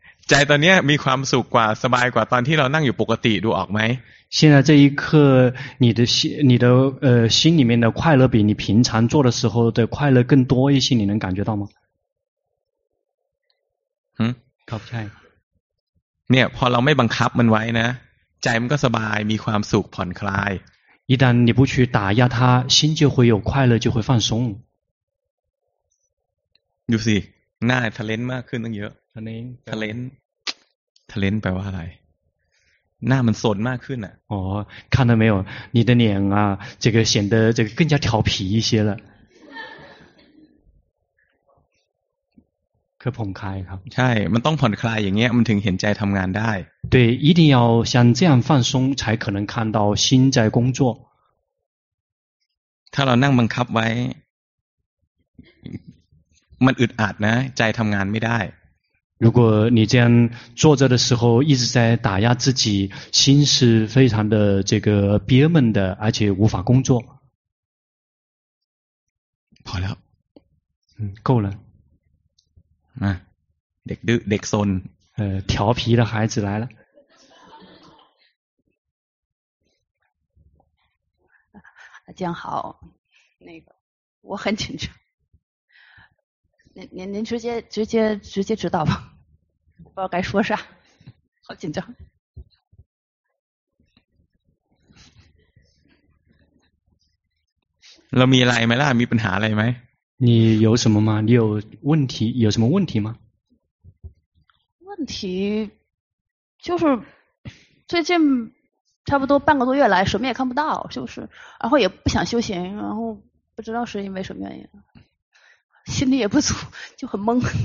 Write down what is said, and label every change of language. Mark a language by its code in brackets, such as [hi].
[th] 在ตอนนี้มีความสุขกว่าสบายกว่าตอนที่เรานั่งอยู่ปกติดูออกไหม [zh] 现在这一刻你的心里面的快乐比你平常做的时候的快乐更多一些，你能感觉到吗？嗯， [th] ขอบใจ เนี่ยพอเราไม่บังคับมันไว้นะใจมันก็สบายมีความสุขผ่อนคลาย [zh] 一旦你不去打压它心就会有快乐就会放松 [th] ดูสิหน้าทะเลนมากขึ้นตั้งเยอะ ทะเลน ทะเลนทะเลนแปลว่าอะไรหน้ามันสนมากขึ้นอ่ะ [zh] อ๋อ看到没有你的脸啊这个显得这个更加调皮一些了 [th] คือผ่อนคลายครับ ใช่มันต้องผ่อนคลายอย่างเงี้ยมันถึงเห็นใจทำงานได้ [zh] 对一定要像这样放松才可能看到心在工作 [th] ถ้าเรานั่งบังคับไว้มันอึดอัดนะใจทำงานไม่ได้ [zh] 如果你这样坐着的时候一直在打压自己心是非常的这个憋闷的而且无法工作 [th] พอแล้ว [zh] 够了 [th] เด็กดื้อเด็กซน [zh] 调皮的孩子来了江豪那个我很紧张您直接指导吧不知道该说啥好紧张 [th] เรามีอะไรไหมล่ะมีปัญหาอะไรไหม [zh] 你有什么吗？你有问题？有什么问题吗？问题就是最近差不多半个多月来，什么也看不到，就是然后也不想修行，然后不知道是因为什么原因，心里也不足，就很懵。